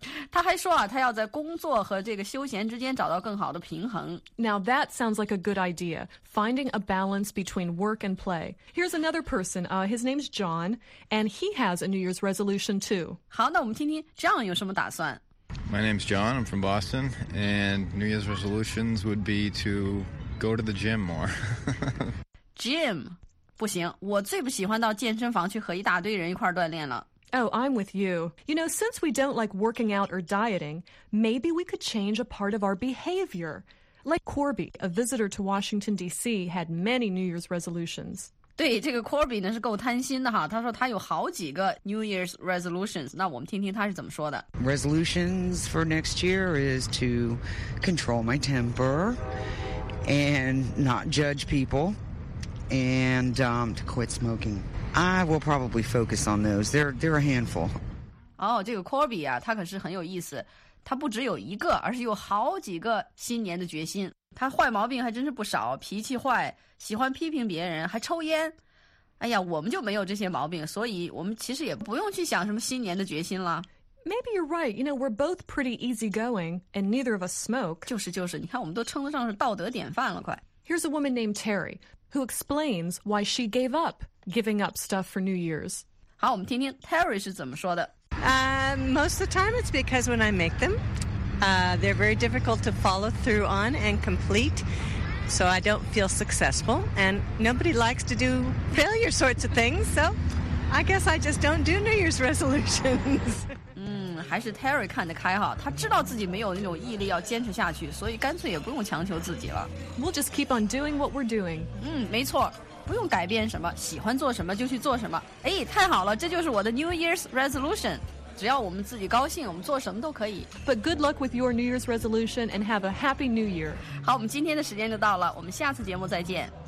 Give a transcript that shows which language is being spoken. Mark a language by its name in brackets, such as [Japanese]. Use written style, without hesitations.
[Chinese] 她还说啊，她要在工作和这个休闲之间找到更好的平衡。 [English] Now that sounds like a good idea, finding a balance between work and play. Here's another person. His name's John, and he has a New Year's resolution too. [Chinese] 好，那我们听听 John 有什么打算。 [English] My name's John, I'm from Boston, and New Year's resolutions would be to go to the gym more. Gym? [Chinese] 不行，我最不喜欢到健身房去和一大堆人一块锻炼了。 [English] Oh, I'm with you. You know, since we don't like working out or dieting, maybe we could change a part of our behavior. Like Corby, a visitor to Washington, D.C., had many New Year's resolutions. [Chinese] 对，这个 Corby 呢是够贪心的哈，他说他有好几个 New Year's resolutions， 那我们听听他是怎么说的。 [English] Resolutions for next year is to control my temper and not judge people and, to quit smoking. I will probably focus on those. They're a handful. [Chinese] 哦，这个 Corby 啊，他可是很有意思，他不只有一个，而是有好几个新年的决心。他坏毛病还真是不少，脾气坏，喜欢批评别人，还抽烟。哎呀，我们就没有这些毛病，所以我们其实也不用去想什么新年的决心了。 [English] Maybe you're right. You know, we're both pretty easygoing, and neither of us smoke. [Chinese] 就是就是，你看我们都称得上是道德典范了，快。 [English] Here's a woman named Terry, who explains why she gave up giving up stuff for New Year's. [Chinese] 好，我们听听 Terry 是怎么说的。 [English] Most of the time it's because when I make them,they're very difficult to follow through on and complete, so I don't feel successful, and nobody likes to do failure sorts of things, so I guess I just don't do New Year's resolutions. [Chinese] 还是 Terry 看得开哈，他知道自己没有那种毅力要坚持下去，所以干脆也不用强求自己了。 [English] We'll just keep on doing what we're doing. [Chinese] 没错，不用改变什么，喜欢做什么就去做什么。哎，太好了，这就是我的 New Year's resolution. 只要我们自己高兴，我们做什么都可以。 [English] But good luck with your New Year's resolution and have a happy New Year. [Chinese] 好，我们今天的时间就到了，我们下次节目再见。